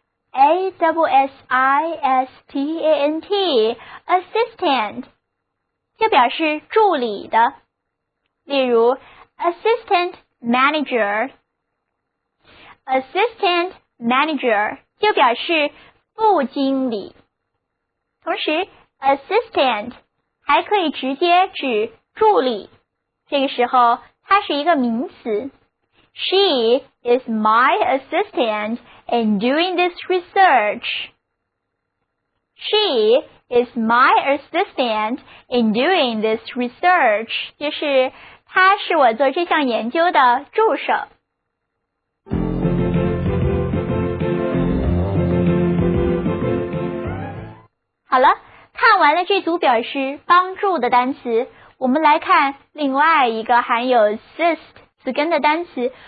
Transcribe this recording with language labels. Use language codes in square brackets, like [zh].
[zh] A-S-S-I-S-T-A-N-T assistant 就表示助理的，例如 [en] assistant manager assistant manager [zh] 就表示副经理。同时 assistant 还可以直接指助理。这个时候它是一个名词。 [en] She is my assistant in doing this research. She is my assistant in doing this research. [zh] 就是她是我做这项研究的助手。好了，看完了这组表示帮助的单词，我们来看另外一个含有 assist 词根的单词。